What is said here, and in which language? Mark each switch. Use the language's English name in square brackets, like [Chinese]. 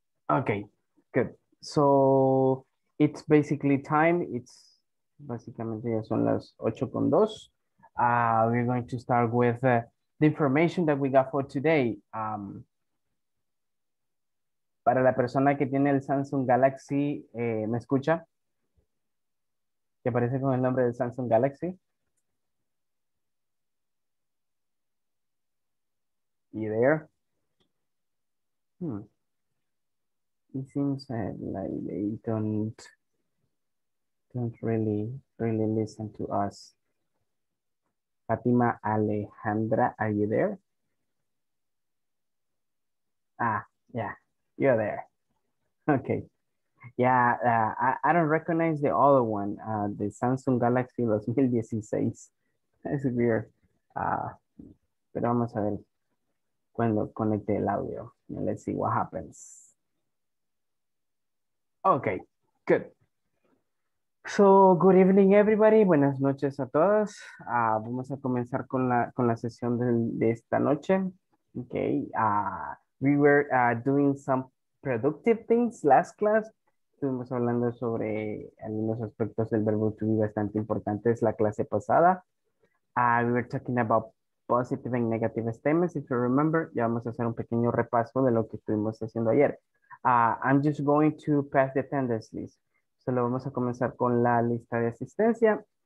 [English] Okay, good. So it's basically time. It's [Spanish] básicamente ya son las 8:02. [English] We're going to start with the information that we got for today. [Spanish] Para la persona que tiene el Samsung Galaxy, ¿me escucha? ¿Te aparece con el nombre del Samsung Galaxy? [English] You there? It seems like they don't really listen to us. Fatima Alejandra, are you there? Ah, yeah, you're there. Okay. Yeah, I don't recognize the other one, the Samsung Galaxy 2016. That's weird. [Spanish] Pero vamos a ver cuando conecte el audio. [English] Let's see what happens. Okay, good. So, good evening, everybody. [Spanish] Buenas noches a todas. Vamos a comenzar con la sesión de esta noche. [English] Okay, we were doing some productive things last class. [Spanish] Estuvimos hablando sobre algunos aspectos del verbo to be bastante importantes la clase pasada. [English] We were talking about positive and negative statements. If you remember, [Spanish] ya vamos a hacer un pequeño repaso de lo que estuvimos haciendo ayer. [English] I'm just going to pass the attendance list. [Spanish] Solo vamos a comenzar con la lista de asistencia.